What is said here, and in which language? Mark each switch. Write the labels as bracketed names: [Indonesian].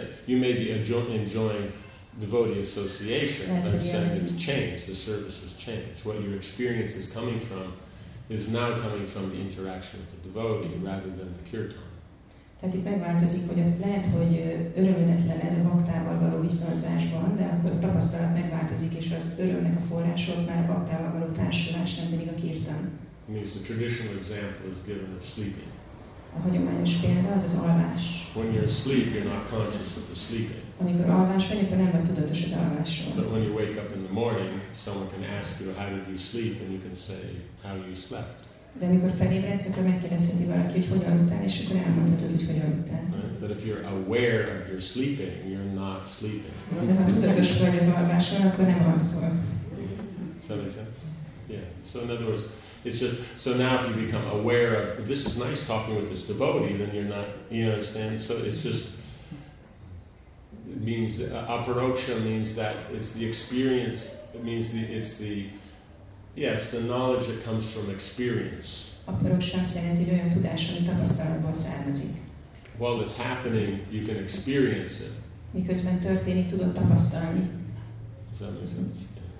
[English] You may be enjoying devotee association, but I'm saying it's changed, the service has changed. What your experience is coming from is now coming from the interaction with the devotee rather than the kirtan. [Hungarian] Tehát itt megváltozik, hogy lehet, hogy örömödet lened a baktával való viszonzásban, de akkor a tapasztalat megváltozik, és az örömnek a forrásod már a baktával való társulás, nem pedig a kirtan. [English] Means the traditional example is given of sleeping. [Hungarian] A hagyományos példa az az alvás. [English] When you're asleep, you're not conscious of the sleeping. [Hungarian] Amikor alvás vagy, akkor nem vagy tudatos az alvásról. [English] But when you wake up in the morning, someone can ask you, how did you sleep? And you can say, how you slept. [Hungarian] De amikor felébredsz, akkor megkérdezheti valaki, hogy hogyan aludtál, és akkor elmondhatod, hogy hogyan aludtál. [English] Right? But if you're aware of your sleeping, you're not sleeping. [Hungarian] De ha tudatos vagy az alvásról, akkor nem alszol. [English] Does that make sense? Yeah. So in other words, it's just, so now if you become aware of, this is nice talking with this devotee, then you're not, you understand? So it's just, it means, aparoksha means that it's the experience, it means the, it's the, yeah, it's the knowledge that comes from experience. [Hungarian] Aparoksha azt jelenti, hogy olyan tudás, ami tapasztalatból származik. [English] While it's happening, you can experience it. [Hungarian] Miközben történik, tudod tapasztalni. [English] Does that make sense?